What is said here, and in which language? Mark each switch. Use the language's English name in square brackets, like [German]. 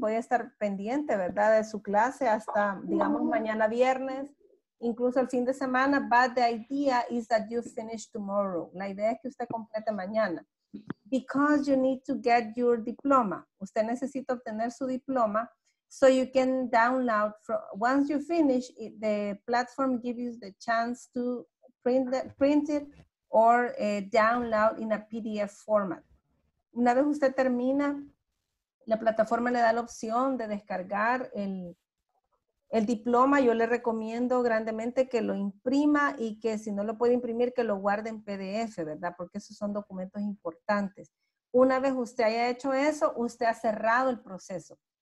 [Spanish] Voy a estar pendiente, ¿verdad?, de su clase hasta, digamos, mañana viernes, incluso el fin de semana. [English] But the idea is that you finish tomorrow. [Spanish] La idea es que usted complete mañana. [English] Because you need to get your diploma. [Spanish] Usted necesita obtener su diploma. [English] So you can download, once you finish, the platform gives you the chance to print it or download in a PDF format. [Spanish] Una vez usted termina, la plataforma le da la opción de descargar el diploma. Yo le recomiendo grandemente que lo imprima y que si no lo puede imprimir, que lo guarde en PDF, ¿verdad? Porque esos son documentos importantes. Una vez usted haya hecho eso, usted ha cerrado el proceso.